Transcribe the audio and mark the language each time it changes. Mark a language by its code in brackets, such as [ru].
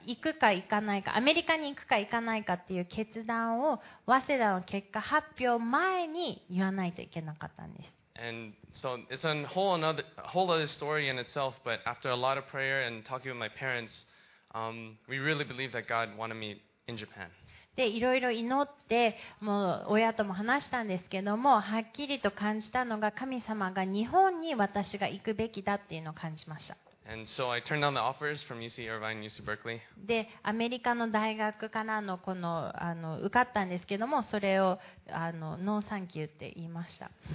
[ja] 行くか行かないか、アメリカに行くか行かないかっていう決断を早稲田の結果発表前に言わないといけなかったんです。 [en] And so it's a whole other story in itself, but after a lot of prayer and talking with my parents, we really believe that God wanted me in Japan. [ja] で、いろいろ祈って、もう親とも話したんですけども、はっきりと感じたのが、神様が日本に私が行くべきだっていうのを感じました。 [en] And so I turned down the offers from UC Irvine and UC Berkeley. [ja] で、アメリカの大学からのこの、受かったんですけども、それをノーサンキューって言いました。